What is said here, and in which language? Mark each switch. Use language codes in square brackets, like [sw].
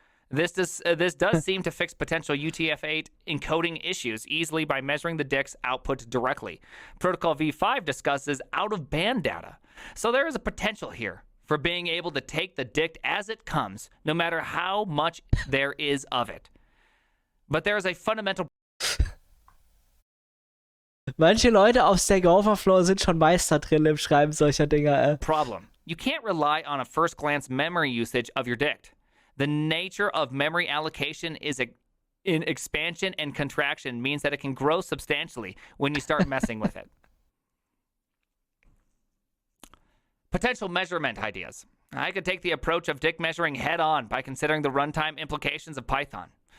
[en] This does seem to fix potential UTF-8 encoding issues easily by measuring the dick's output directly. Protocol V5 discusses out-of-band data. So there is a potential here for being able to take the dick as it comes, no matter how much there is of it. But there is a fundamental... [de] Manche Leute auf Stack Overflow sind schon Meister drin im Schreiben solcher Dinger. [en] Problem. You can't rely on a first glance memory usage of your dict. The nature of memory allocation is in expansion and contraction means that it can grow substantially when you start messing with it. Potential measurement ideas. I could take the approach of dict measuring head on by considering the runtime implications of Python.